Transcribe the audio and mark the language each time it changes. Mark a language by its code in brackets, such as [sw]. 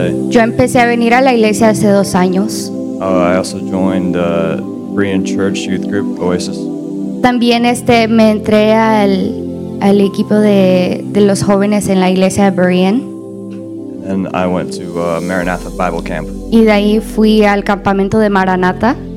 [es] Yo empecé a venir a la iglesia hace 2 años. [en] I also joined the Korean Church Youth Group, Oasis. [es] También me entré al equipo de los jóvenes en la iglesia de Berean. [en] And I went to Maranatha Bible Camp. [es] Y de ahí fui al campamento de Maranatha.